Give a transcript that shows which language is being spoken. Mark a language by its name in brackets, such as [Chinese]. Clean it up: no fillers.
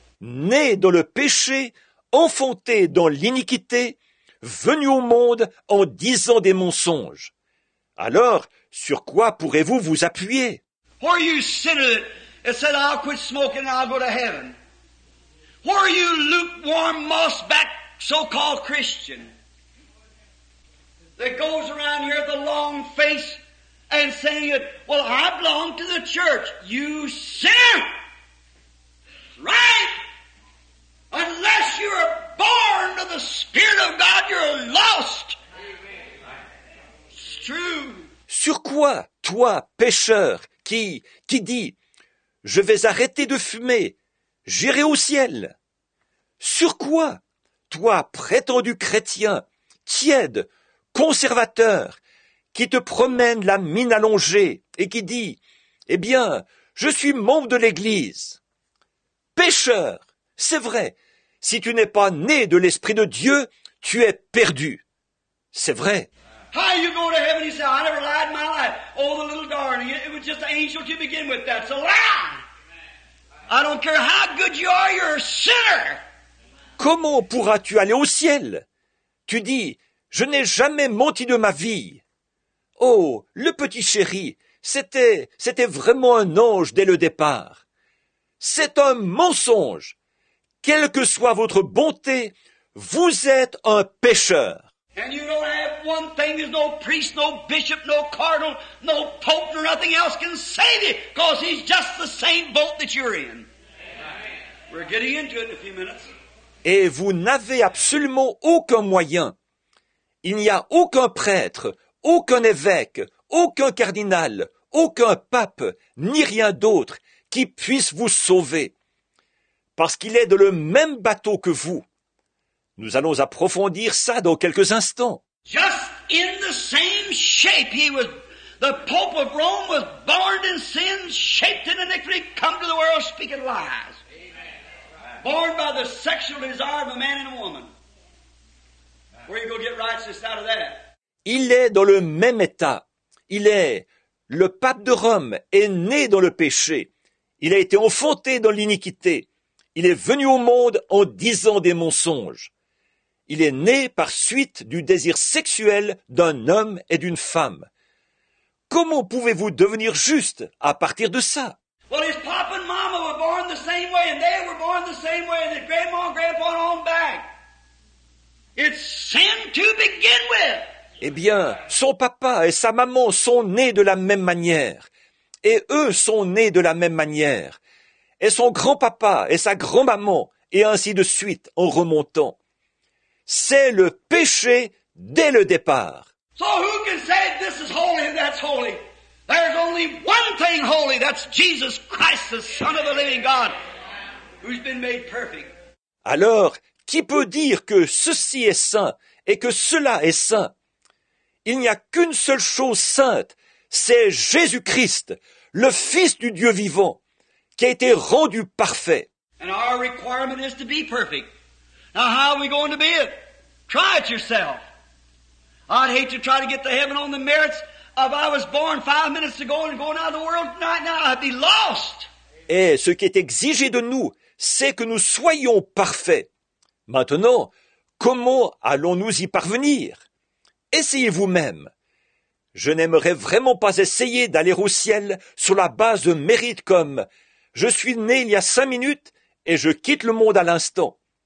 [French] Né dans le péché, enfanté dans l'iniquité, venu au monde en disant des mensonges. Alors, sur quoi pourrez-vous vous appuyer? [English] Where are you, sinner, that said, I'll quit smoking and I'll go to heaven? Where are you, lukewarm, moss-backed, so-called Christian, that goes around here with a long face and saying, well, I belong to the church? You sinner! Right? Unless you're born of the Spirit of God, you're lost. It's true. [French] Sur quoi, toi, pécheur, qui dis, je vais arrêter de fumer, j'irai au ciel? Sur quoi, toi, prétendu chrétien, tiède, conservateur, qui te promène la mine allongée et qui dit, eh bien, je suis membre de l'Église? Pécheur, c'est vrai, si tu n'es pas né de l'Esprit de Dieu, tu es perdu. C'est vrai. [English] How you go to heaven? He said, I never lied in my life. Oh, the little darling, it was just an angel to begin with. That's a lie. I don't care how good you are, you're a sinner. [French] Comment pourras-tu aller au ciel? Tu dis, je n'ai jamais menti de ma vie. Oh, le petit chéri, c'était vraiment un ange dès le départ. C'est un mensonge. Quelle que soit votre bonté, vous êtes un pécheur. [English] And you don't have one thing, there's no priest, no bishop, no cardinal, no pope, or nothing else can save you, because he's just the same boat that you're in. Amen. We're getting into it in a few minutes. [French] Et vous n'avez absolument aucun moyen. Il n'y a aucun prêtre, aucun évêque, aucun cardinal, aucun pape, ni rien d'autre qui puisse vous sauver. Parce qu'il est dans le même bateau que vous. Nous allons approfondir ça dans quelques instants. [English] Just in the same shape he was, the Pope of Rome was born in sin, shaped in iniquity, come to the world speaking lies. Born by the sexual desire of a man and a woman. Where you go get righteousness out of that? [French] Il est dans le même état. Il est le pape de Rome est né dans le péché. Il a été enfanté dans l'iniquité. Il est venu au monde en disant des mensonges. Il est né par suite du désir sexuel d'un homme et d'une femme. Comment pouvez-vous devenir juste à partir de ça? [English] Well, his papa and mama were born the same way, and they were born the same way, and his grandma and grandpa on back. It's sin to begin with. [French] Eh bien, son papa et sa maman sont nés de la même manière, et eux sont nés de la même manière, et son grand-papa et sa grand-maman, et ainsi de suite en remontant. C'est le péché dès le départ. [English] So who can say this is holy and that's holy? There's only one thing holy, that's Jesus Christ, the Son of the living God, who's been made perfect. [French] Alors, qui peut dire que ceci est saint et que cela est saint? Il n'y a qu'une seule chose sainte, c'est Jésus-Christ, le Fils du Dieu vivant, qui a été rendu parfait. [English] And our requirement is to be perfect. Now, how are we going to be it? Try it yourself. I'd hate to try to get to heaven on the merits of I was born 5 minutes ago and going out of the world right now. I'd be lost. [French] Et ce qui est exigé de nous, c'est que nous soyons parfaits. Maintenant, comment allons-nous y parvenir? Essayez vous-même. Je n'aimerais vraiment pas essayer d'aller au ciel sur la base de mérite comme je suis né il y a 5 minutes et je quitte le monde à l'instant.